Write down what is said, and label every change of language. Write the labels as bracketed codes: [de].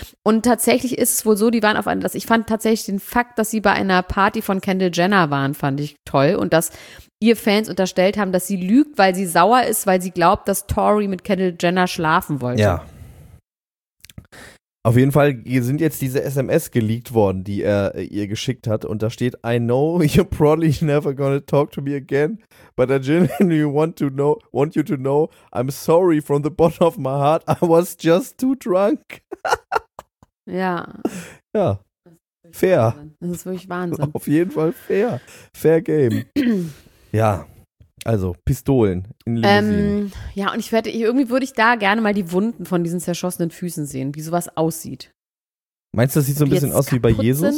[de] Und tatsächlich ist es wohl so, die waren auf einen, ich fand tatsächlich den Fakt, dass sie bei einer Party von Kendall Jenner waren, fand ich toll. Und dass ihr Fans unterstellt haben, dass sie lügt, weil sie sauer ist, weil sie glaubt, dass Tory mit Kendall Jenner schlafen wollte. Ja. Auf jeden Fall sind jetzt diese SMS geleakt worden, die er ihr geschickt hat. Und da steht, [en] I know you're probably never gonna talk to me again, but I genuinely want you to know, I'm sorry from the bottom of my heart, I was just too drunk. [de] Ja. Ja. Fair. Das ist wirklich Wahnsinn. Auf jeden Fall fair. [en] Fair game. [de] Ja. Also, Pistolen in Limousinen. Ja, und irgendwie würde ich da gerne mal die Wunden von diesen zerschossenen Füßen sehen, wie sowas aussieht. Meinst du, das sieht so ein bisschen aus wie bei Jesus?